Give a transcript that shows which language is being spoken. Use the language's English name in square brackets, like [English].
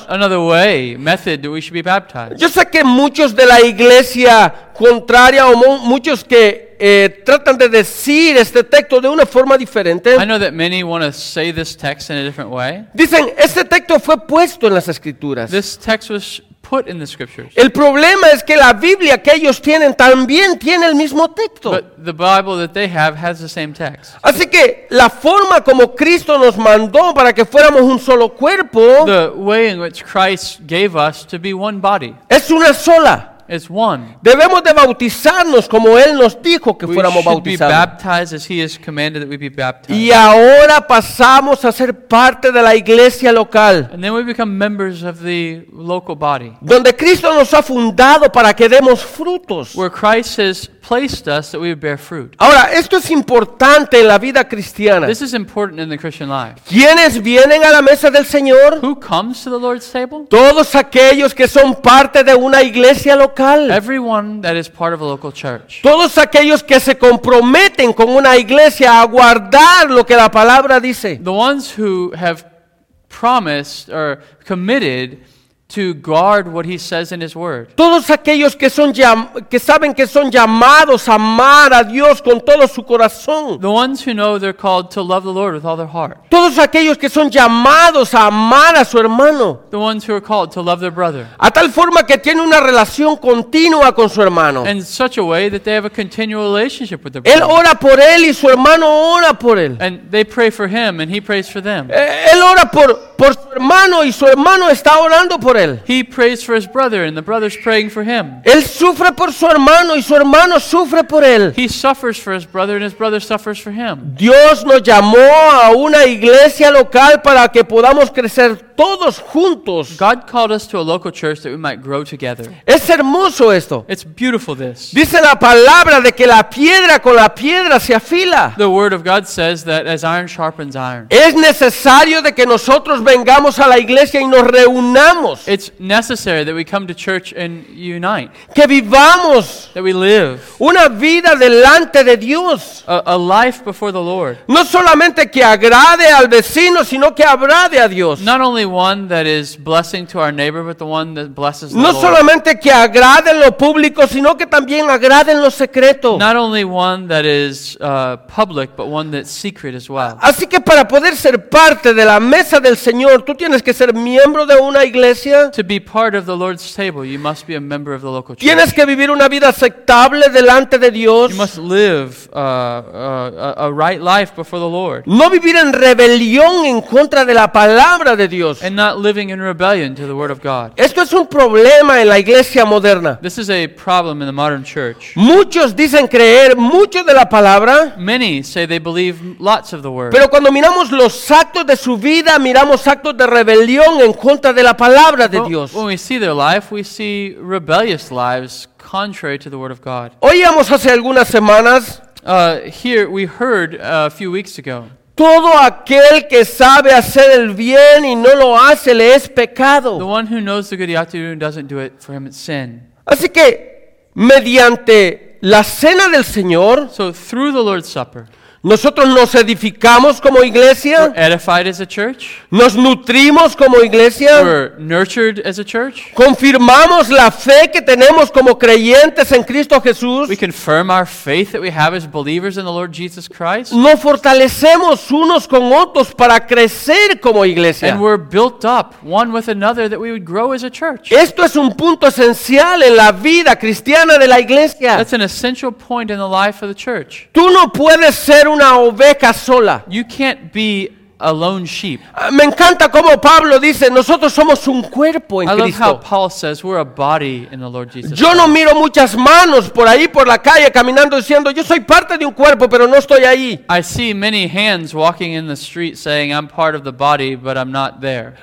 [English] There's not another way, method that we should be baptized. [Spanish] Yo sé que muchos de la iglesia contraria o muchos que tratan de decir este texto de una forma diferente. [English] I know that many want to say this text in a different way. [Spanish] Dicen, este texto fue puesto en las Escrituras. [English] This text was put in the Scriptures. [Spanish] El problema es que la Biblia que ellos tienen también tiene el mismo texto. [English] But the Bible that they have has the same text. [Spanish] Así que la forma como Cristo nos mandó para que fuéramos un solo cuerpo, [English] the way in which Christ gave us to be one body, [Spanish] es una sola. [English] It's one. [Spanish] Debemos de bautizarnos como él nos dijo que [English] we [Spanish] fuéramos bautizados. [English] We should be baptized as he has commanded that we be baptized. [Spanish] Y ahora pasamos a ser parte de la iglesia local. [English] And then we become members of the local body. [Spanish] Donde Cristo nos ha fundado para que demos frutos. [English] Where Christ has placed us that we would bear fruit. [Spanish] Ahora, esto es importante en la vida cristiana. [English] This is important in the Christian life. [Spanish] ¿Quiénes vienen a la mesa del Señor? [English] Who comes to the Lord's table? [Spanish] Todos aquellos que son parte de una iglesia local. [English] Everyone that is part of a local church. [Spanish] Todos aquellos que se comprometen con una iglesia a guardar lo que la palabra dice. [English] The ones who have promised or committed to guard what he says in his word. [Spanish] Todos aquellos que son que saben que son llamados a amar a Dios con todo su corazón. [English] The ones who know they're called to love the Lord with all their heart. [Spanish] Todos aquellos que son llamados a amar a su hermano. [English] The ones who are called to love their brother. [Spanish] A tal forma que tienen una relación continua con su hermano. [English] In such a way that they have a continual relationship with their brother. [Spanish] Él ora por él y su hermano ora por él. [English] And they pray for him and he prays for them. [Spanish] Él ora por su hermano y su hermano está orando por él. [English] He prays for his brother and the brother's praying for him. [Spanish] Él sufre por su hermano y su hermano sufre por él. [English] He suffers for his brother and his brother suffers for him. [Spanish] Dios nos llamó a una iglesia local para que podamos crecer todos juntos. [English] God called us to a local church that we might grow together. [Spanish] Es hermoso esto. [English] It's beautiful this. [Spanish] Dice la palabra de que la piedra con la piedra se afila. [English] The word of God says that as iron sharpens iron. [Spanish] Es necesario de que nosotros vengamos a la iglesia y nos reunamos. [English] It's necessary that we come to church and unite. [Spanish] Que vivamos. [English] That we live. [Spanish] Una vida delante de Dios. [English] A life before the Lord. [Spanish] No solamente que agrade al vecino, sino que agrade a Dios. [English] Not only one that is blessing to our neighbor, but the one that blesses the [Spanish] no [English] Lord. [Spanish] No solamente que agrade en lo público, sino que también agrade en lo secreto. [English] Not only one that is public, but one that's secret as well. [Spanish] Así que para poder ser parte de la mesa del Señor, tú tienes que ser miembro de una iglesia. [English] To be part of the Lord's table, you must be a member of the local church. [Spanish] Tienes que vivir una vida aceptable delante de Dios. [English] You must live a right life before the Lord. [Spanish] No vivir en rebelión en contra de la palabra de Dios. [English] And not living in rebellion to the word of God. [Spanish] Esto es un problema en la iglesia moderna. [English] This is a problem in the modern church. [Spanish] Muchos dicen creer mucho de la palabra. [English] Many say they believe lots of the word. [Spanish] Pero cuando miramos los actos de su vida, miramos actos de rebelión en contra de la palabra de Dios. [English] When we see their life, we see rebellious lives contrary to the word of God. [Spanish] Oíamos hace algunas semanas. [English] Here we heard a few weeks ago. [Spanish] Todo aquel que sabe hacer el bien y no lo hace le es pecado. [English] The one who knows the good he ought to do and doesn't do it, for him it's sin. [Spanish] Así que mediante la cena del Señor, [English] so through the Lord's Supper, [Spanish] nosotros nos edificamos como iglesia. [English] We're edified as a church. [Spanish] Nos nutrimos como iglesia. [English] We're nurtured as a church. [Spanish] Confirmamos la fe que tenemos como creyentes en Cristo Jesús. [English] We confirm our faith that we have as believers in the Lord Jesus Christ. [Spanish] Nos fortalecemos unos con otros para crecer como iglesia. [English] And we're built up one with another that we would grow as a church. [Spanish] Esto es un punto esencial en la vida cristiana de la iglesia. [English] That's an essential point in the life of the church. [Spanish] Tú no puedes ser una oveja sola. [English] You can't be a lone sheep. [Spanish] Me encanta como Pablo dice, nosotros somos un cuerpo en Cristo. [English] I love how Paul says we're a body in the Lord Jesus. [Spanish] Yo no miro muchas manos por ahí por la calle caminando diciendo yo soy parte de un cuerpo pero no estoy ahí. [English] I see many hands walking in the street saying I'm part of the body but I'm not there.